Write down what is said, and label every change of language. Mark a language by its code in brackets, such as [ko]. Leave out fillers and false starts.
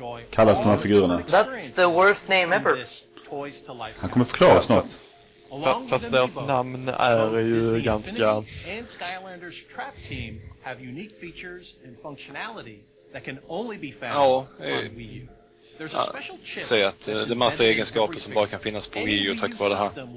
[sv] Kallas de här figurerna. [en] That's the worst name ever. [sv] Han kommer förklara snart. Fast deras namn är ju ganska. [en] And Skylanders trap team have unique features and functionality that can only be found on Wii U. [sv] Säg att det är massa egenskaper som bara kan finnas på Wii U tack vare det här.